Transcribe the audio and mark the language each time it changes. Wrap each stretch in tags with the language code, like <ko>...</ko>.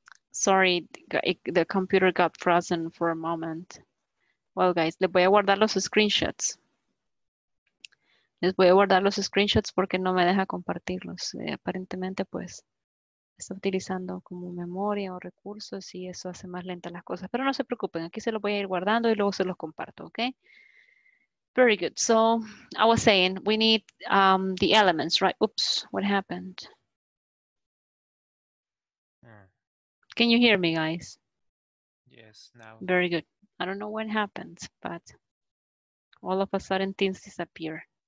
<en>Sorry, the computer got frozen for a moment. Well, guys,</en> <es>les voy a guardar los screenshots. Les voy a guardar los screenshots porque no me deja compartirlos. Aparentemente, pues, está utilizando como memoria o recursos y eso hace más lenta las cosas. Pero no se preocupen, aquí se los voy a ir guardando y luego se los comparto, ¿ok?</es> <en>Very good. So I was saying we need the elements, right? Oops, what happened? Can you hear me, guys? Yes, now. Very good. I don't know what happened, but all of a sudden things disappear.</en>